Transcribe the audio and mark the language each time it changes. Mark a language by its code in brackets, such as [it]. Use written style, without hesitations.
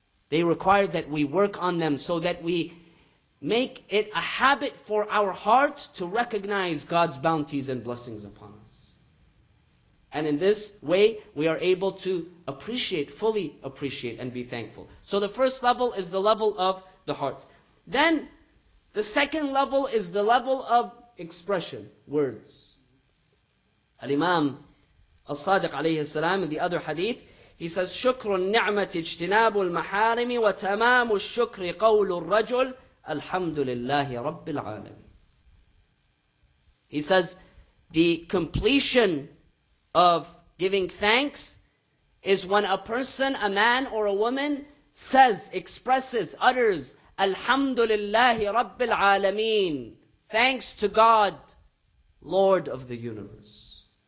[en] They require that we work on them so that we make it a habit for our heart to recognize God's bounties and blessings upon us. And in this way, we are able to appreciate, fully appreciate and be thankful. So the first level is the level of the heart. Then the second level is the level of expression, words. [ar] Al-Imam Al-Sadiq alayhi salam [en] in the other hadith, he says, [ar] شكر النعمة اجتناب المحارم وتمام الشكر قول الرجل الحمد لله رب العالمين. [en] He says, the completion of giving thanks is when a person, a man or a woman, says, expresses, utters, [ar] Alhamdulillahi Rabbil Alameen, [en] thanks to God, Lord of the universe.